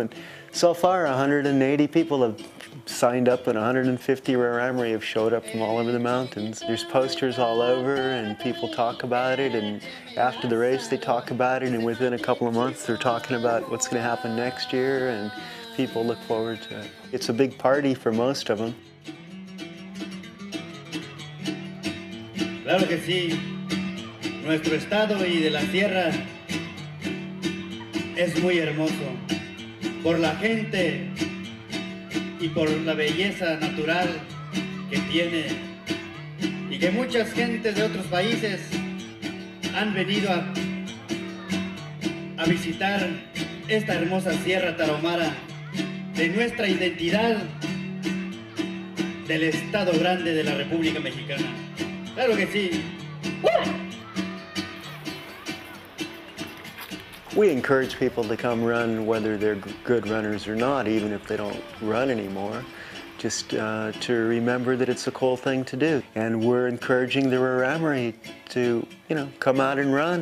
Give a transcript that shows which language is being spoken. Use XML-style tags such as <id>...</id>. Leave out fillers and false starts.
<en>And so far, 180 people have signed up and 150 Rarámuri have showed up from all over the mountains. There's posters all over and people talk about it. And after the race, they talk about it. And within a couple of months, they're talking about what's going to happen next year. And people look forward to it. It's a big party for most of them.</en> <es>Claro que sí, nuestro estado y de la sierra es muy hermoso por la gente y por la belleza natural que tiene y que muchas gentes de otros países han venido a visitar esta hermosa sierra Tarahumara de nuestra identidad del estado grande de la República Mexicana. Claro que sí.</es> <en>We encourage people to come run, whether they're good runners or not, even if they don't run anymore, just to remember that it's a cool thing to do. And we're encouraging the Rarámuri to, you know, come out and run.</en>